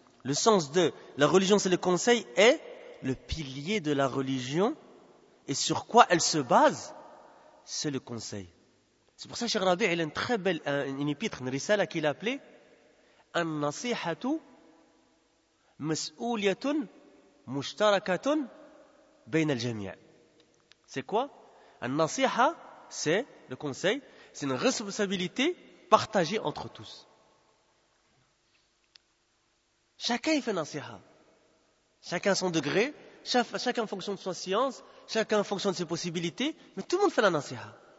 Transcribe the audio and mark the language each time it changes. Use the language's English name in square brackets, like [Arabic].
[French] Le sens de la religion c'est le conseil est le pilier de la religion et sur quoi elle se base, c'est le conseil. C'est pour ça que Cheikh Rabi' il a une très belle une épître, une risala qu'il a appelée An-Nasihatu [Arabic] مسؤولية مشتركة بين الجميع. [French] C'est quoi? النصيحة, c'est le conseil, c'est une responsabilité partagée entre tous. Chacun fait nasiha. Chacun son degré, chacun en fonction de sa science, chacun en fonction de ses possibilités, mais tout le monde fait la nasiha.